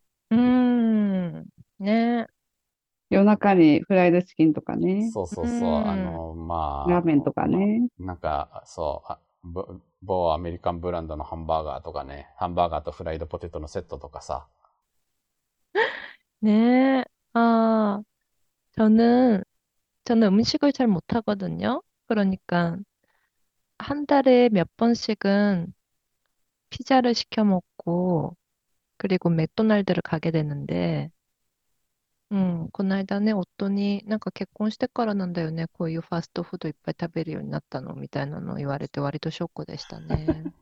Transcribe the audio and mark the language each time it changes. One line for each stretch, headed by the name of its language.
Japanese: ね、夜中にフライドチキンとか ね、そうそうそう、ラーメンとかね。なんか、そう、某アメリカンブランドのハンバーガーとかね、ハンバーガーとフライドポテトのセットとかさ。ねえ、
Korean: 아, 저는 음식을 잘 못하거든요. 그러니까 한 달에 몇 번씩은 피자를 시켜 먹고 그리고 맥도날드를 가게 되는데, 그날에 어떤이 뭔가 결혼
Japanese: してからなんだよね、こういうファストフードいっぱい食べるようになったのみたいなのを言われて割とショックでしたね。